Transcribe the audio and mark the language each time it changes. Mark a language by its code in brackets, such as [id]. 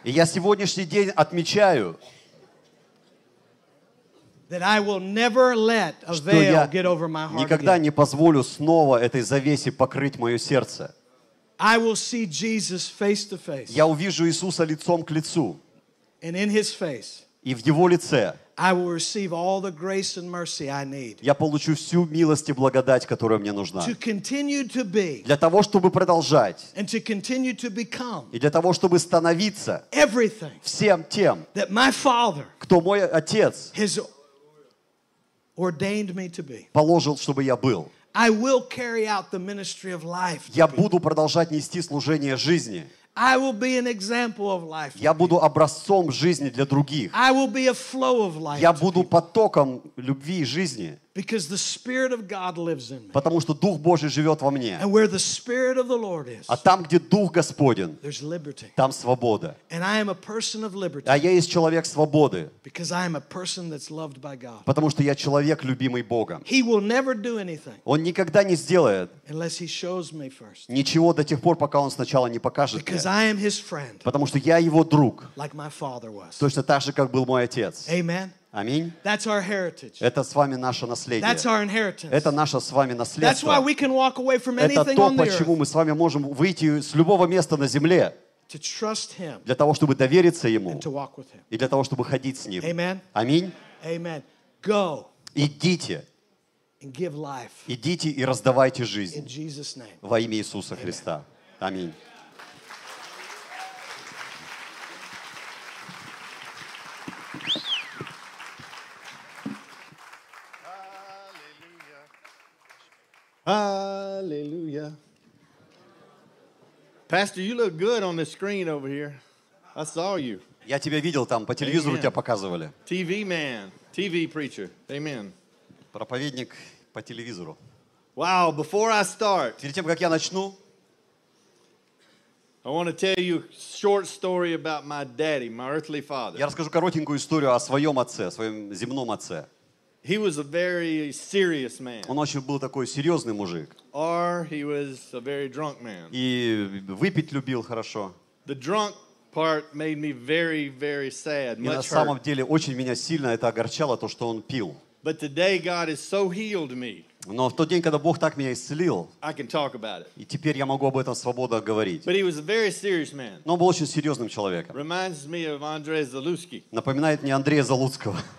[ru] и я сегодняшний день отмечаю, [en] that I will never let a veil get over my heart. [ru] Никогда не позволю снова этой завесе покрыть мое сердце. [en] I will see Jesus face to face. [ru] Я увижу Иисуса лицом к лицу. [en] And in His face. [ru] И в Его лице. [en] I will receive all the grace and mercy I need. [ru] Я получу всю милость и благодать, которая мне нужна. [en] To continue to be. [ru] Для того, чтобы продолжать. [en] And to continue to become. [ru] И для того, чтобы становиться. [en] Everything. [ru] Всем тем. [en] That my Father. [ru] Кто мой отец. [en] His ordained me to be. [ru] Положил, чтобы я был. [en] I will carry out the ministry of life. [ru] Я буду продолжать нести служение жизни. [en] I will be an example of life. [ru] Я буду образцом жизни для других. [en] I will be a flow of life. [ru] Я буду потоком любви и жизни. [en] Because the Spirit of God lives in me. [ru] Потому что Дух Божий живет во мне. [en] And where the Spirit of the Lord is. [ru] А там, где Дух Господень. [en] There's liberty. [ru] Там свобода. [en] And I am a person of liberty. [ru] А я есть человек свободы. [en] Because I am a person that's loved by God. [ru] Потому что я человек любимый Богом. [en] He will never do anything. [ru] Он никогда не сделает. [en] Unless He shows me first. [ru] Ничего до тех пор, пока Он сначала не покажет. [en] Because [ru] мне. [en] I am His friend. [ru] Потому что я Его друг. [en] Like my father was. [ru] Точно так же, как был мой отец. [en] Amen. [ru] Аминь. [en] That's our heritage. [ru] Это с вами наше наследие. [en] That's our inheritance. [ru] Это наше с вами наследство. [en] That's why we can walk away from anything on the earth. [ru] Это то, почему мы с вами можем выйти с любого места на земле. [en] To trust Him. [ru] Для того, чтобы довериться Ему. [en] And to walk with Him. [ru] И для того, чтобы ходить с Ним. [en] Amen. [ru] Аминь. [en] Amen. Go. [ru] Идите. [en] And give life. [ru] Идите и раздавайте жизнь. [en] In Jesus' name. [ru] Во имя Иисуса Христа. Аминь. [en] Hallelujah. Pastor, you look good on the screen over here. I saw you. [ru] Я тебя видел там, по телевизору тебя показывали. [en] TV man, TV preacher. Amen. [ru] Проповедник по телевизору. [en] Wow, before I start. [ru] Перед тем, как я начну, [en] I want to tell you a short story about my daddy, my earthly father. [ru] Я расскажу коротенькую историю о своем отце, о своем земном отце. [en] He was a very serious man. [ru] Он очень был такой серьезный мужик. [en] Or he was a very drunk man. [ru] И выпить любил хорошо. [en] The drunk part made me very, very sad. [ru] И на самом деле очень меня сильно это огорчало, то, что он пил. [en] But today God has so healed me. [ru] Но в тот день, когда Бог так меня исцелил, [en] I can talk about it. [ru] И теперь я могу об этом свободно говорить. [en] But he was a very serious man. [ru] Но он был очень серьезным человеком. [en] Reminds me of Andrei Zalutsky. [ru] Напоминает мне Андрея Залуцкого.